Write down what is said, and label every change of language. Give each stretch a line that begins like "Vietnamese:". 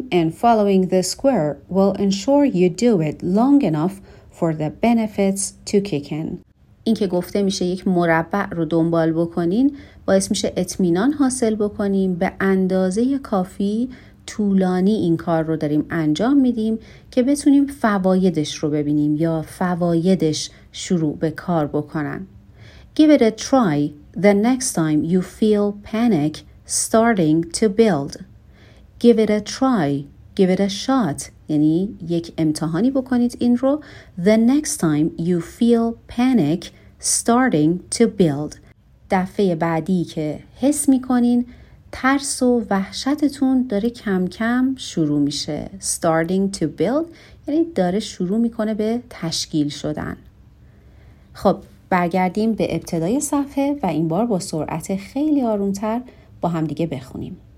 English: And following the square will ensure you do it long enough for the benefits to kick in.
Persian: این که گفته میشه یک مربع رو دنبال بکنین باعث میشه اطمینان حاصل بکنیم. به اندازه کافی طولانی این کار رو داریم انجام میدیم که بتونیم فوایدش رو ببینیم یا فوایدش شروع به کار بکنن.
English: Give it a try. The next time you feel panic starting to build, give it a try, give it a shot.
Persian: یعنی یک امتحانی بکنید این رو.
English: The next time you feel panic starting to build.
Persian: دفعه بعدی که حس میکنین ترس و وحشتتون داره کم کم شروع میشه.
English: Starting to build
Persian: یعنی داره شروع میکنه به تشکیل شدن. خب برگردیم به ابتدای صفحه و این بار با سرعت خیلی آرومتر با هم دیگه بخونیم.